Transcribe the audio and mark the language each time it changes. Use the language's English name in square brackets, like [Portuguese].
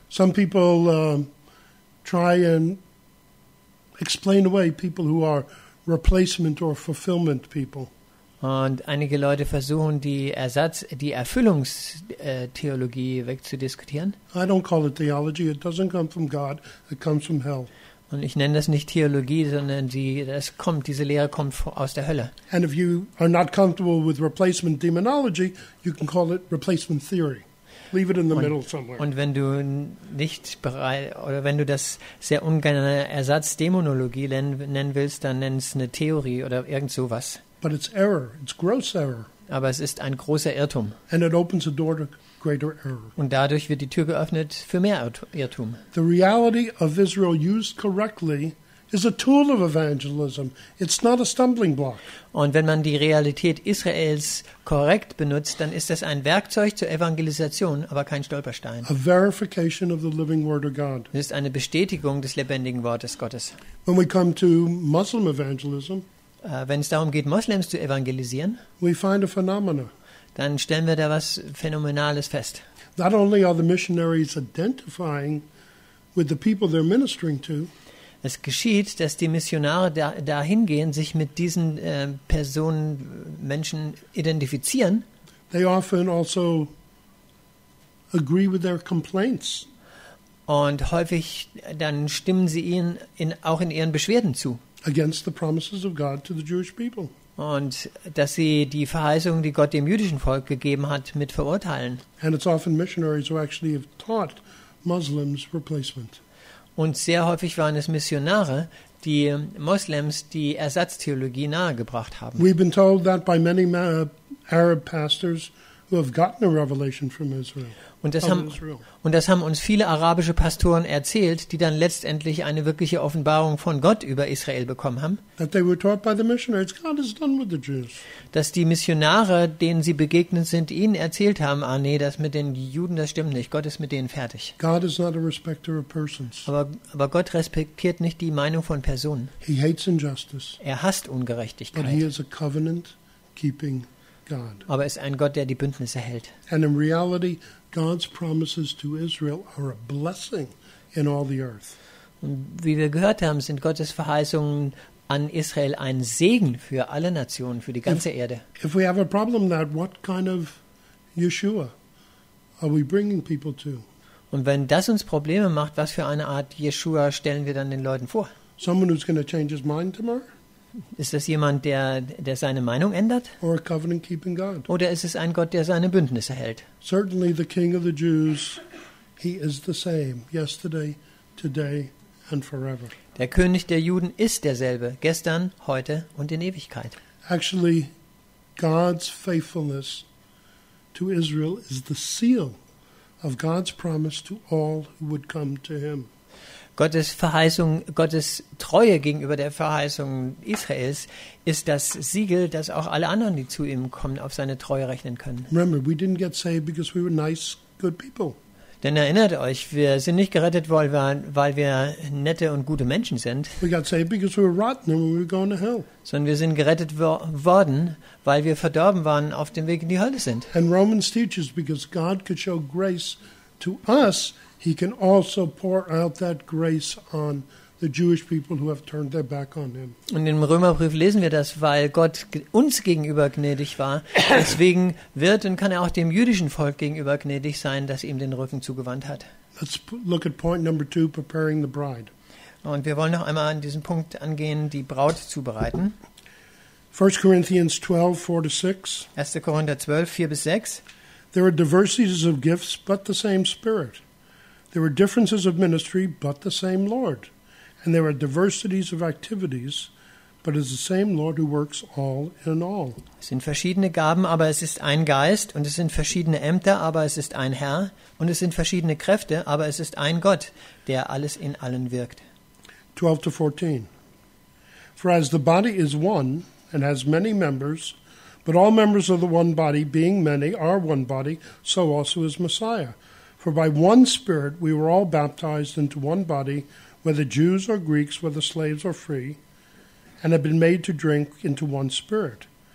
[English] Some people try and explain away people who are replacement or fulfillment people. [German] Und einige Leute versuchen die Ersatz, die Erfüllungstheologie wegzudiskutieren. [English] I don't call it theology. It doesn't come from God. It comes from hell. [German] Und ich nenne das nicht Theologie, sondern diese Lehre kommt aus der Hölle. [English] And if you are not comfortable with replacement demonology, you can call it replacement theory. Leave it in the middle somewhere. [German] Und wenn du nicht bereit oder wenn du das sehr ungerne Ersatzdämonologie nennen willst, dann nenn es eine Theorie oder irgend sowas. [English] But it's error. It's gross error. [German] Aber es ist ein großer Irrtum. [English] And it opens a door to greater error. [German] Und dadurch wird die Tür geöffnet für mehr Irrtum. [English] The reality of Israel used correctly is a tool of evangelism. It's not a stumbling block. [German] Und wenn man die Realität Israels korrekt benutzt, dann ist das ein Werkzeug zur Evangelisation, aber kein Stolperstein. [English] A verification of the living word of God. [German] Es ist eine Bestätigung des lebendigen Wortes Gottes. [English] When we come to Muslim evangelism, [German] wenn es darum geht, Moslems zu evangelisieren, [English] we find a phenomenon. [German] Dann stellen wir da was Phänomenales fest. [English] Not only are the missionaries identifying with the people they're ministering to, [German] es geschieht, dass die Missionare dahin gehen, sich mit diesen Personen, Menschen identifizieren. [English] They often also agree with their complaints. [German] Und häufig dann stimmen sie ihnen auch in ihren Beschwerden zu. [English] Against the promises of God to the Jewish people. [German] Und dass sie die Verheißungen, die Gott dem jüdischen Volk gegeben hat, mit verurteilen. [English] And it's often missionaries who actually have taught Muslims replacement. [German] Und sehr häufig waren es Missionare, die Moslems die Ersatztheologie nahegebracht haben. [English] We've been told that by many Arab pastors who have gotten a revelation from Israel. [German] Und das haben uns viele arabische Pastoren erzählt, die dann letztendlich eine wirkliche Offenbarung von Gott über Israel bekommen haben. [English] That they were taught by the missionaries, God is done with the Jews. [German] Dass die Missionare, denen sie begegnet sind, ihnen erzählt haben, das mit den Juden, das stimmt nicht, Gott ist mit denen fertig. [English] God is not a respecter of persons. [German] Aber Gott respektiert nicht die Meinung von Personen. [English] He hates injustice. [German] Er hasst Ungerechtigkeit. [English] But he is a covenant-keeping God. [German] Aber er ist ein Gott, der die Bündnisse hält. [English] And in reality, God's promises to Israel are a blessing in all the earth. [German] Und wie wir gehört haben, sind Gottes Verheißungen an Israel ein Segen für alle Nationen, für die ganze Erde. [English] If we have a problem that, what kind of Yeshua are we bringing people to? [German] Und wenn das uns Probleme macht, was für eine Art Yeshua stellen wir dann den Leuten vor? [English] Someone who's going to change his mind tomorrow? [German] Ist das jemand, der seine Meinung ändert? [English] Or a covenant-keeping God? [German] Oder ist es ein Gott, der seine Bündnisse hält? [English] Certainly the King of the Jews, he is the same yesterday, today and forever. [German] Der König der Juden ist derselbe, gestern, heute und in Ewigkeit. [English] Actually, God's faithfulness to Israel is the seal of God's promise to all who would come to him. [German] Gottes Verheißung, Gottes Treue gegenüber der Verheißung Israels ist das Siegel, dass auch alle anderen, die zu ihm kommen, auf seine Treue rechnen können. [English] Remember, we didn't get saved because we were nice, good people. [German] Denn erinnert euch, wir sind nicht gerettet worden, weil wir nette und gute Menschen sind. [English] We got saved because we were rotten and we were going to hell. [German] Sondern wir sind gerettet worden, weil wir verdorben waren, auf dem Weg in die Hölle sind. [English] And Romans teaches, because God could show grace to us, he can also pour out that grace on the Jewish people who have turned their back on him. [German] Und im Römerbrief lesen wir das, weil Gott uns gegenüber gnädig war, deswegen wird und kann er auch dem jüdischen Volk gegenüber gnädig sein, das ihm den Rücken zugewandt hat. [English] Let's look at point number two, preparing the bride. [German] Und wir wollen noch einmal an diesen Punkt angehen, die Braut zubereiten. [English] 1 Corinthians 12, 4 to 6. [German] 1. Korinther 12, 4 bis 6. [English] There are diversities of gifts, but the same Spirit. There are differences of ministry, but the same Lord. And there are diversities of activities, but it's the same Lord who works all in all. [German] Es sind verschiedene Gaben, aber es ist ein Geist, und es sind verschiedene Ämter, aber es ist ein Herr, und es sind verschiedene Kräfte, aber es ist ein Gott, der alles in allen wirkt. [English] 12 to 14. For as the body is one and has many members, but all members of the one body, being many, are one body, so also is Messiah. For by one Spirit we were all baptized into one body, whether Jews or Greeks, whether slaves or free, and have been made to drink into one Spirit.